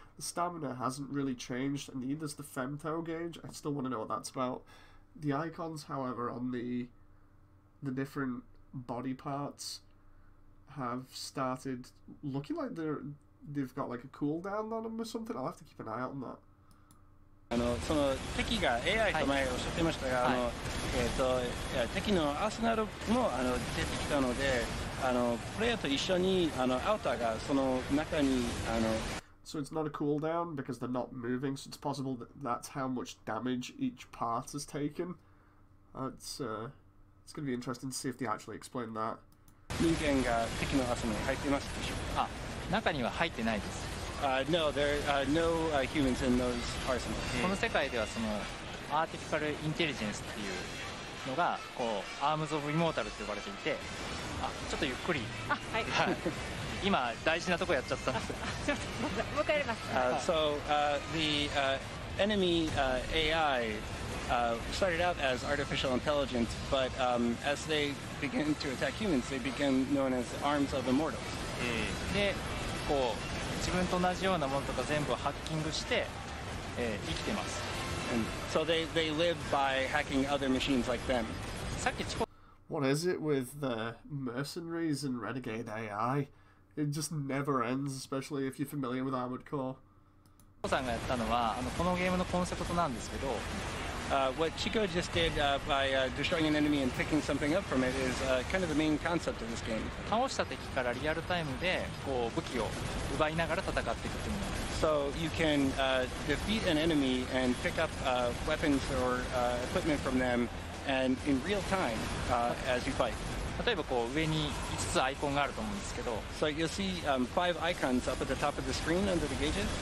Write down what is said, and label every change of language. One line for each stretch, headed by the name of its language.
English: Stamina hasn't really changed, and neither is the femto gauge. I still want to know what that's about. The icons, however, on the different body parts have started looking like they've got like a cooldown on them or something. I'll have to keep an eye out on that.
Japanese: その敵が AI と前おっしゃってましたが、はい、敵のアーセナルもあの出てきたので、あのプレイヤーと一緒にあのアウターがその中に、あの、
English: So it's not a cooldown because they're not moving, so it's possible that that's how much damage each part has taken. It's going to be interesting to see if they actually explain that.
Japanese: 人間が敵のアーセナル入っていますでしょうか？あ、中には入ってないです。
English: No, there are no humans in those arsenals.
Japanese: この世界ではそのアーティフィカルインテリジェンスっていうのがこうアームズオブイモータルと呼ばれていて、あ、ちょっとゆっくり。あ、はい。今大事なとこやっちゃったんです。もう一回やります。
English: So the enemy AI started out as artificial intelligence, but as they begin to attack humans, they become known as arms of immortals.
Japanese: で、こう自分と同じようなものとか全部ハッキングして、生きてます。
English: And so they live by hacking other machines like them.
Japanese: さっき
English: What is it with the mercenaries and renegade AI? It just never ends, especially if you're familiar with Armored Core.
Japanese: Chico さんがやったのは、あの、このゲームのコンセプトなんですけど、
English: What Chico just did by destroying an enemy and picking something up from it is kind of the main concept of this game.
Japanese: 倒した敵からリアルタイムでこう武器を奪いながら戦っていくというもの。
English: So you can defeat an enemy and pick up weapons or equipment from them and in real time as you fight.
Japanese: 例えばこう上に5つアイコンがあると思うんですけど、
English: So you'll see five icons up at the top of the screen under the gauges.